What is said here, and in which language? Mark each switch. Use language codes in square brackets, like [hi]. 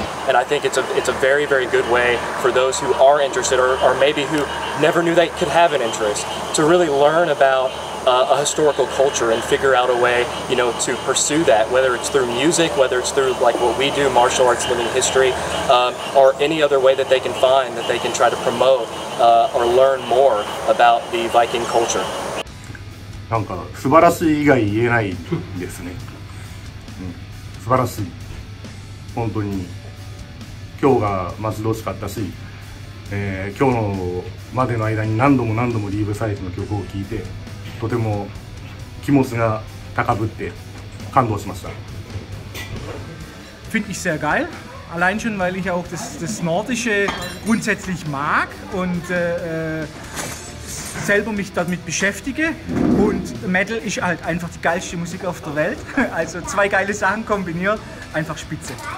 [en] And I think it's a very, very good way for those who are interested, or maybe who never knew they could have an interest, to really learn about a historical culture and figure out a way, you know, to pursue that, whether it's through music, whether it's through like what we do, martial arts living history, or any other way that they can find that they can try to promote or learn more about the Viking culture. [ja] なんか素晴らしい以外言えないですね。うん、素晴らしい。本当に今日が待ち遠しかったし、今日のまでの間に何度も何度もリーブサイズの曲を聴いて、とても気持ちが高ぶって感動しました。 [de] Finde ich sehr geil. Allein schon, weil ich auch das Nordische grundsätzlich mag und selber mich damit beschäftige und Metal ist halt einfach die geilste Musik auf der Welt. Also zwei geile Sachen kombiniert, einfach spitze.